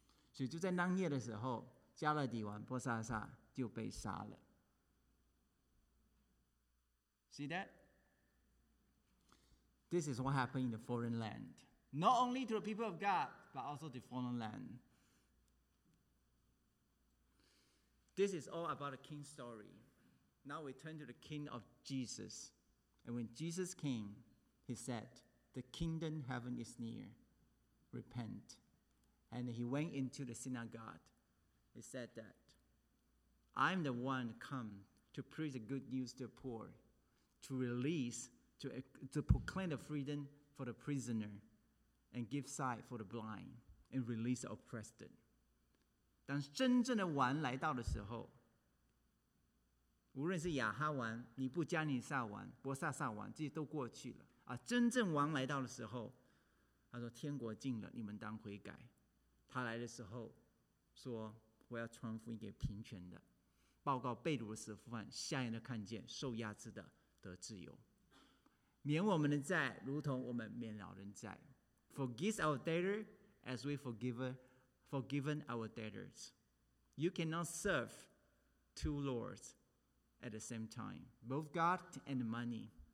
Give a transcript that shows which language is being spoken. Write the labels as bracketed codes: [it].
[zh] 所以就在当夜的时候, 加勒底王波沙沙就被杀了。 [en] See that? This is what happened in the foreign land. Not only to the people of God, but also the foreign land. This is all about a king's story. Now we turn to the king of Jesus. And when Jesus came, he said, "The kingdom of heaven is near. Repent." And he went into the synagogue. He said that, "I'm the one come to preach the good news to the poor, to release, to proclaim the freedom for the prisoner, and give sight for the blind, and release the oppressed." [zh] 当真正的王来到的时候, 无论是亚哈王、尼布加尼撒王、波萨撒王，这些都过去了。真正王来到的时候，他说：“天国近了，你们当悔改。”他来的时候，说：“我要传福音给贫穷的，报告被掳的释放，瞎眼的看见，受压制的得自由，免我们的债，如同我们免了人债。” [en] Forgive our debtor as we forgiven our debtors. You cannot serve two lords at the same time, both God and money.